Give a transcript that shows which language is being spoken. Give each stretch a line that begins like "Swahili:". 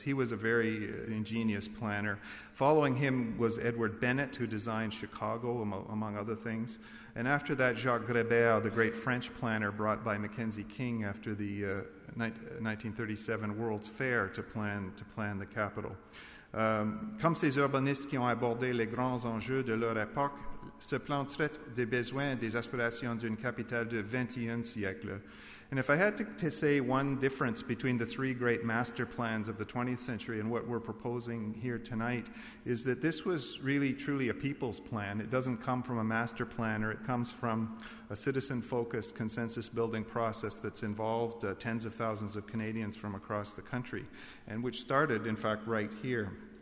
English: He was a very ingenious planner. Following him was Edward Bennett, who designed Chicago, among other things. And after that, Jacques Grébert, the great French planner brought by Mackenzie King after the 1937 World's Fair to plan the capital.
French: Comme ces urbanistes qui ont abordé les grands enjeux de leur époque, ce plan traite des besoins et des aspirations d'une capitale du 21e siècle.
English: And if I had to say one difference between the three great master plans of the 20th century and what we're proposing here tonight, is that this was really truly a people's plan. It doesn't come from a master planner. It comes from a citizen-focused consensus-building process that's involved tens of thousands of Canadians from across the country, and which started, in fact, right here.